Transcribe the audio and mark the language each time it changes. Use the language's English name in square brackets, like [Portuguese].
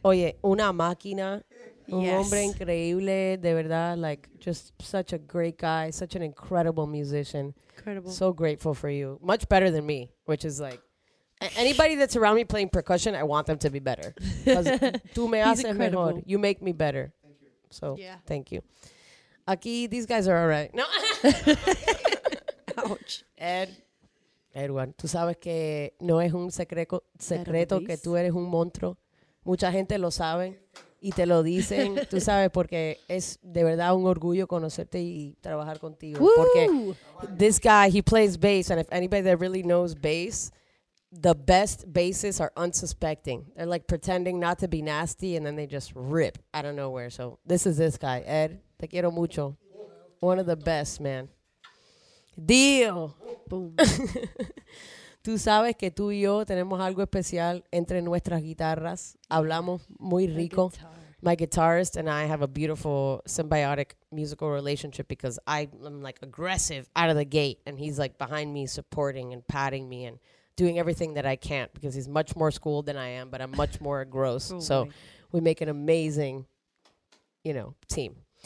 [Spanish] Oye, una máquina. [English] Yes. [Spanish] Un hombre increíble, de verdad, [English] like just such a great guy, such an incredible musician. Incredible. So grateful for you. Much better than me, which is like, anybody that's around me playing percussion, I want them to be better. [Spanish] Tú me haces mejor. [English] You make me better. Thank you. So, yeah. Thank you. Aquí, these guys are all right. No. Ouch. [Spanish] Edwin, tú sabes que no es un secreto que tú eres un monstruo. Mucha gente lo sabe. Y te lo dicen, tú sabes, porque es de verdad un orgullo conocerte y trabajar contigo. Woo! [English] Porque this guy, he plays bass, and if anybody that really knows bass, the best bassists are unsuspecting. They're like pretending not to be nasty, and then they just rip out of nowhere. So this is this guy, Ed. [Spanish] Te quiero mucho. [English] One of the best, man. Deal. Boom. [Spanish] Tú sabes que tú y yo tenemos algo especial entre nuestras guitarras. Hablamos muy rico. [English] My guitarist and I have a beautiful symbiotic musical relationship because I'm like aggressive out of the gate. And he's like behind me supporting and patting me and doing everything that I can't because he's much more schooled than I am, but I'm much more gross. Oh, so we make an amazing, you know, team.